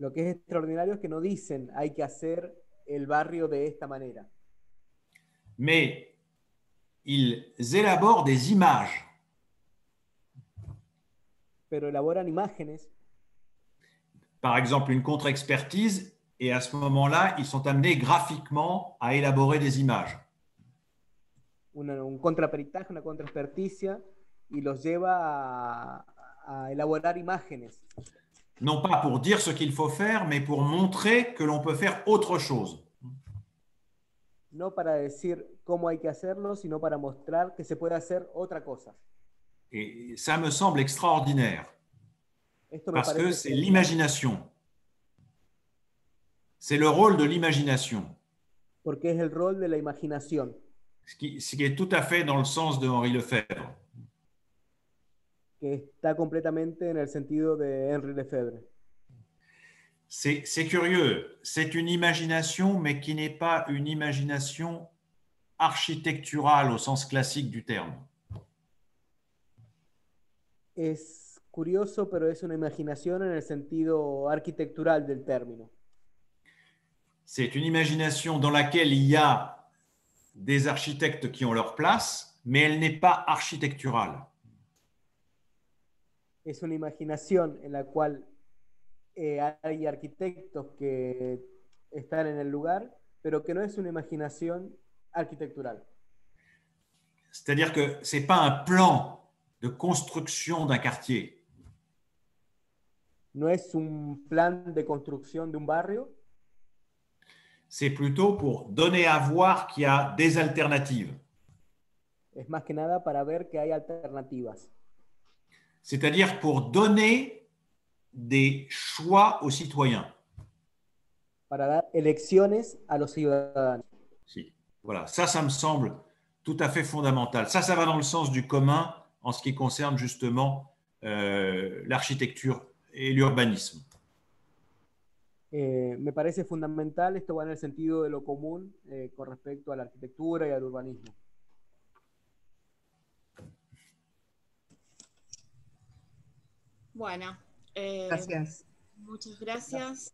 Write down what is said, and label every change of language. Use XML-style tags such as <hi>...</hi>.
<es>Lo que es extraordinario es que no dicen « hay que hacer el barrio de esta manera ».</es> <fr>Mais ils élaborent des images.</fr> <es>Pero elaboran imágenes.</es> <fr>Par exemple, une contre-expertise, et à ce moment-là, ils sont amenés graphiquement à élaborer des images.</fr> <es>Un contraperitaje, una contraexperticia, y los lleva a elaborar imágenes.</es> <fr>Non pas pour dire ce qu'il faut faire, mais pour montrer que l'on peut faire autre chose.</fr> <es>No para decir cómo hay que hacerlo, sino para mostrar que se puede hacer otra cosa.</es> <fr>Et ça me semble extraordinaire.</fr> <es>Esto me</es> <fr>parce</fr> <es>parece</es> <fr>que c'est que... l'imagination. C'est le rôle de l'imagination.</fr> <es>Porque es el rol de la imaginación.</es> <fr>Ce qui est tout à fait dans le sens de Henri Lefebvre.</fr> <es>Que está completamente en el sentido de Henri Lefebvre.</es> <fr>C'est curieux, c'est une imagination, mais qui n'est pas une imagination architecturale au sens classique du terme.</fr> <es>Es curioso, pero es una imaginación en el sentido arquitectural del término.</es> <fr>C'est une imagination dans laquelle il y a des architectes qui ont leur place, mais elle n'est pas architecturale.</fr> <es>Es una imaginación en la cual hay arquitectos que están en el lugar, pero que no es una imaginación arquitectural.</es> <fr>C'est-à-dire que c'est pas un plan de construction d'un quartier.</fr> <es>No es un plan de construcción de un barrio.</es> <fr>C'est plutôt pour donner à voir qu'il y a des alternatives.</fr> <es>Es más que nada para ver que hay alternativas.</es> <fr>C'est-à-dire pour donner des choix aux citoyens.</fr> <es>Para dar elecciones a los ciudadanos. Si.</es> <fr>Voilà, ça me semble tout à fait fondamental. Ça va dans le sens du commun en ce qui concerne justement l'architecture et l'urbanisme.</fr> <es>Me parece fundamental, esto va en el sentido de lo común con respecto a la arquitectura y al urbanismo. Bueno, gracias. Muchas gracias.</es>